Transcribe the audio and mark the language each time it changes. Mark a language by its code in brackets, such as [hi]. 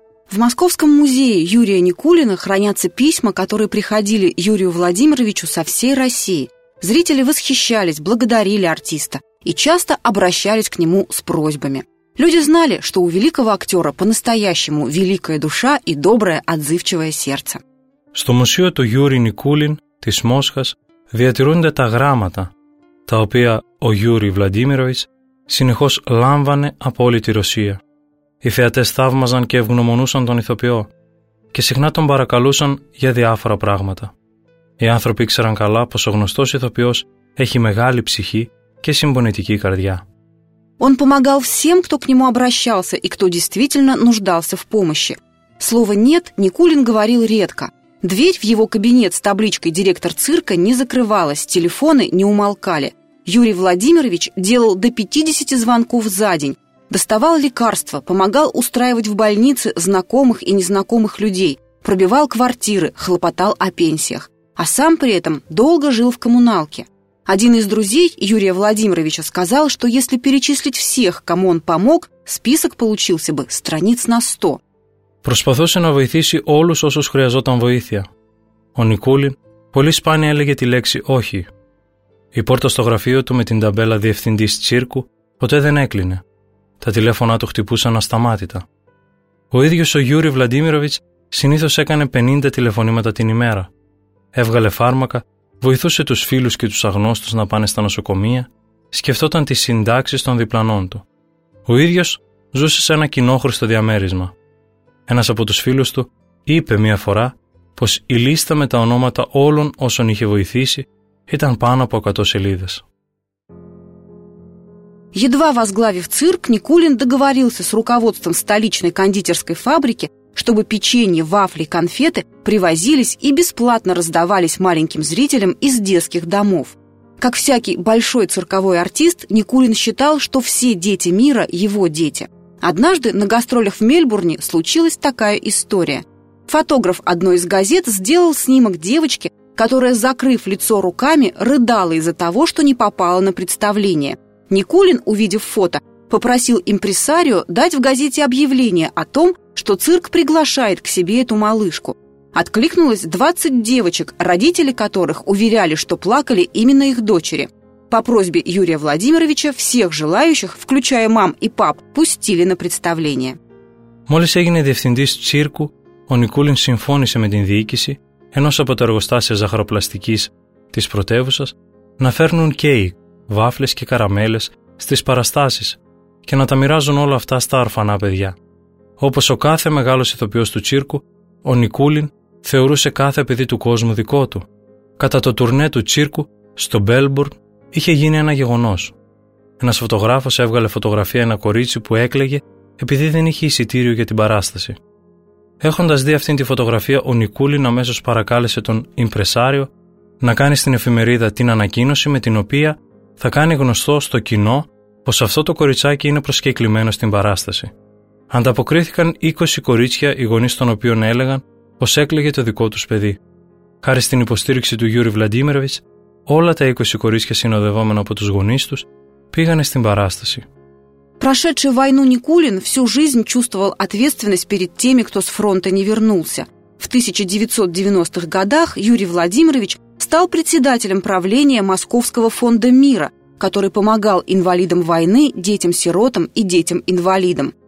[ru] В Московском музее Юрия Никулина хранятся письма, которые приходили Юрию Владимировичу со всей России. Зрители восхищались, благодарили артиста и часто обращались к нему с просьбами. Люди знали, что у великого актера по-настоящему великая душа и доброе отзывчивое сердце. [el] Στο μουσείο του Γιούρι Νικούλιν της Μόσχας διατηρούνται τα γράμματα, τα οποία ο Γιούρι Βλαντίμιροβιτς συνεχώς λάμβανε από όλη τη Ρωσία. Οι θεατές θαύμαζαν και ευγνωμονούσαν τον ηθοποιό και συχνά τον παρακαλούσαν για διάφορα πράγματα. Οι άνθρωποι ήξεραν καλά πως ο γνωστός ηθοποιός έχει μεγάλη ψυχή και συμπονετική καρδιά. [ru] Он помогал всем, кто к нему обращался и кто действительно нуждался в помощи. Слово «нет» Никулин говорил редко. Дверь в его кабинет с табличкой «Директор цирка» не закрывалась, телефоны не умолкали. Юрий Владимирович делал до 50 звонков за день. Доставал лекарства, помогал устраивать в больнице знакомых и незнакомых людей, пробивал квартиры, хлопотал о пенсиях. А сам при этом долго жил в коммуналке. Один из друзей Юрия Владимировича сказал, что если перечислить всех, кому он помог, список получился бы страниц на 100. [el] Προσπαθούσε να βοηθήσει όλους όσους χρειαζόταν βοήθεια. Ο Νικούλιν πολύ σπάνια έλεγε τη λέξη «όχι». Η πόρτα στο γραφείο του με την ταμπέλα «Διευθυντής τσίρκου» ποτέ δεν έκλεινε. Τα τηλέφωνα του χτυπούσαν ασταμάτητα. Ο ίδιος ο Γιούρι Βλαντίμιροβιτς συνήθως έκανε 50 τηλεφωνήματα την ημέρα. Έβγαλε φάρμακα, βοηθούσε τους φίλους και τους αγνώστους να πάνε στα νοσοκομεία, σκεφτόταν τις συντάξεις των διπλανών του. Ο ίδιος ζούσε σε ένα κοινόχρηστο διαμέρισμα. Ένας από τους φίλους του είπε μία φορά πως η λίστα με τα ονόματα όλων όσων είχε βοηθήσει ήταν πάνω από 100 σελίδες. [ru] Едва возглавив цирк, Никулин договорился с руководством столичной кондитерской фабрики, чтобы печенье, вафли, конфеты привозились и бесплатно раздавались маленьким зрителям из детских домов. Как всякий большой цирковой артист, Никулин считал, что все дети мира – его дети. Однажды на гастролях в Мельбурне случилась такая история. Фотограф одной из газет сделал снимок девочки, которая, закрыв лицо руками, рыдала из-за того, что не попала на представление. Никулин, увидев фото, попросил импресарио дать в газете объявление о том, что цирк приглашает к себе эту малышку. Откликнулось 20 девочек, родители которых уверяли, что плакали именно их дочери. По просьбе Юрия Владимировича всех желающих, включая мам и пап, пустили на представление. [el] Молис έγινε διευθυντής цирку, ο Никулин συμφώνησε με την διοίκηση ενός από τα εργοστάσια ζαχαροπλαστικής της πρωτεύουσας να φέρνουν κέικ, βάφλες και καραμέλες στις παραστάσεις και να τα μοιράζουν όλα αυτά στα ορφανά παιδιά. Όπως ο κάθε μεγάλος ηθοποιός του τσίρκου, ο Νικούλιν θεωρούσε κάθε παιδί του κόσμου δικό του. Κατά το τουρνέ του τσίρκου, στο Μπέλμπουρν, είχε γίνει ένα γεγονός. Ένας φωτογράφος έβγαλε φωτογραφία ένα κορίτσι που έκλαιγε επειδή δεν είχε εισιτήριο για την παράσταση. Έχοντας δει αυτήν τη φωτογραφία, ο Νικούλιν αμέσως παρακάλεσε τον Ιμπρεσάριο να κάνει στην εφημερίδα την ανακοίνωση με την οποία θα κάνει γνωστό στο κοινό πως αυτό το κοριτσάκι είναι προσκεκλημένο στην παράσταση. Ανταποκρίθηκαν 20 κορίτσια, οι γονείς των οποίων έλεγαν πως έκλαιγε το δικό τους παιδί. Χάρη στην υποστήριξη του Γιούρι Βλαντίμιροβιτς, όλα τα 20 κορίτσια συνοδευόμενα από τους γονείς τους πήγανε στην παράσταση. [ru] Прошедший войну Никулин всю жизнь чувствовал ответственность перед теми, кто с фронта не вернулся. В 1990-х годах Юрий Владимирович стал председателем правления Московского фонда мира, который помогал инвалидам войны, детям-сиротам и детям-инвалидам.